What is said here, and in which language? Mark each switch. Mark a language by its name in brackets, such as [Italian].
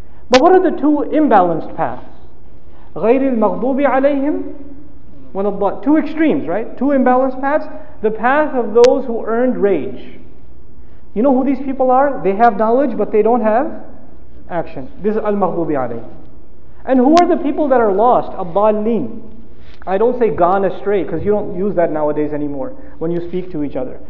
[English] But what are the two imbalanced paths? [Arabic] غير المغضوب عليهم ولا الضالين. [English] Two extremes, right? Two imbalanced paths. The path of those who earned rage. You know who these people are? They have knowledge, but they don't have action. This is [Arabic] المغضوب عليهم. [English] And who are the people that are lost? [Arabic] الضالين. [English] I don't say gone astray, because you don't use that nowadays anymore when you speak to each other.